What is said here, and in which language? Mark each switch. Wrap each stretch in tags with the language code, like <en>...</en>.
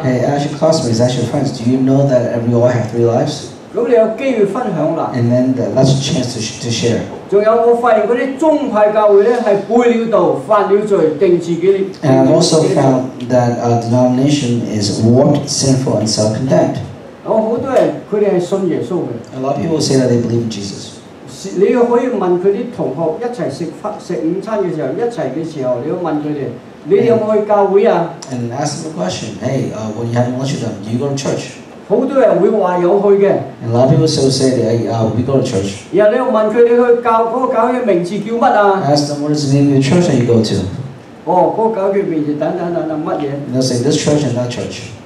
<en>Hey, ask your classmates, ask your friends, do you know that we all have three lives?</en> <yue>咁你有機會分享啦。</yue> <en>And then that's a chance to share.</en> <yue>仲有我發現嗰啲宗派教會咧，係背了道、犯了罪、定自己。</yue> <en>And I also found that our denomination is warped, sinful, and self-condemned.</en> <yue>好多人佢哋係信耶穌嘅。</yue> <en>A lot of people say that they believe in Jesus.</en> <yue>你可以問佢啲同學一齊食午餐嘅時候，你要問佢哋，你有冇去教會啊？</yue> <en>And ask them a question. Hey, when you have lunch with them, do you go to church?</en> <yue>好多人會話有去嘅。</yue> <en>And a lot of people still say that we go to church.</en> <yue>然後你又問佢哋去教嗰個教會嘅名字叫乜啊？</yue> <en>Ask them what is the name of the church that you go to.</en> <yue>哦，嗰個教會名字等等等等乜嘢？</yue> <en>And they'll say this church and that church.</en>